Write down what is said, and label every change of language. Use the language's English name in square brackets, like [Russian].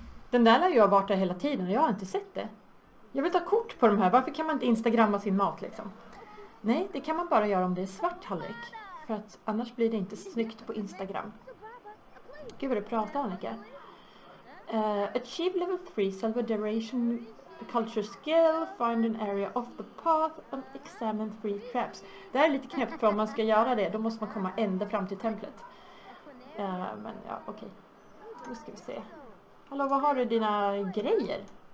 [Swedish] Den där har jag varit där hela tiden och jag har inte sett det. Jag vill ta kort på de här. Varför kan man inte instagramma sin mat liksom? Nej, det kan man bara göra om det är svart tallrik. För att annars blir det inte snyggt på Instagram. Gud vad du pratar, Annika. [English] Achieve level 3 self-adoration culture skill. Find an area off the path and examine 3 traps. [Swedish] Det är lite knäppt, för om man ska göra det då måste man komma ända fram till templet. Men ja, okej. Okay. Nu ska vi se. Hallå, vad har du dina grejer?